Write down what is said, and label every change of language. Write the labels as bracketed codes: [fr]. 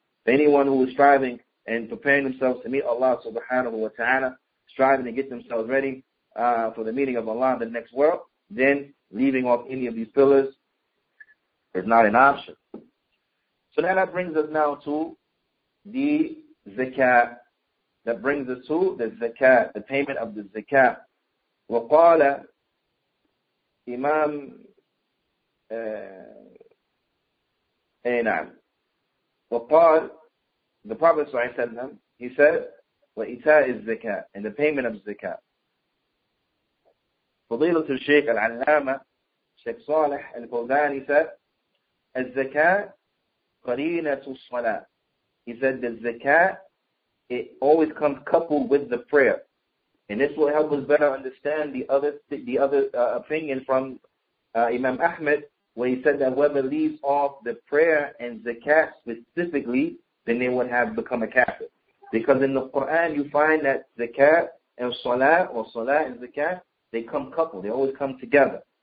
[en] Anyone who is striving and preparing themselves to meet Allah subhanahu wa ta'ala, striving to get themselves ready for the meeting of Allah in the next world, then leaving off any of these pillars is not an option. So now that brings us now to the zakat that brings us to the zakat, the payment of the zakat. [ar] وقال إمام أي نعم وقال [en] the Prophet [ar] صلى الله عليه وسلم [en] he said [ar] وإيتاء الزكاة [en] and the payment of [ar] الزكاة فضيلة الشيخ العلامة الشيخ صالح الفوزاني [en] said [ar] الزكاة قرينة الصلاة [en] he said the zakat it always comes coupled with the prayer. And this will help us better understand the other opinion from Imam Ahmed, where he said that whoever leaves off the prayer and zakat specifically, then they would have become a kafir. Because in the Quran, you find that zakat and salah, or salah and zakat, they come coupled. They always come together.